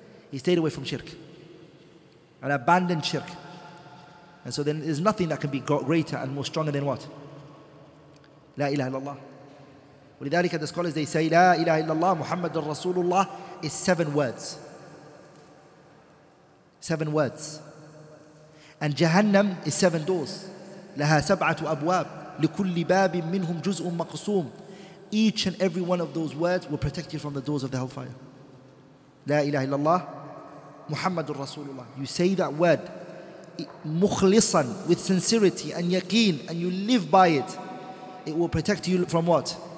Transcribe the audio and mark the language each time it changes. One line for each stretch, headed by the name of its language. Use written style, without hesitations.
English: He stayed away from shirk and abandoned shirk. And so then there's nothing that can be greater and more stronger than what? La ilaha illallah.
Arabic: ولذلك
English: the scholars, they say la ilaha illallah Muhammad Rasulullah is seven words, and Jahannam is seven doors.
Arabic: لها سبعة أبواب لكل باب منهم جزء مقسوم.
English: Each and every one of those words will protect you from the doors of the hellfire. La ilaha illallah Muhammad Rasulullah. You say that word مخلصاً, with sincerity and yaqeen, and you live by it, it will protect you from what?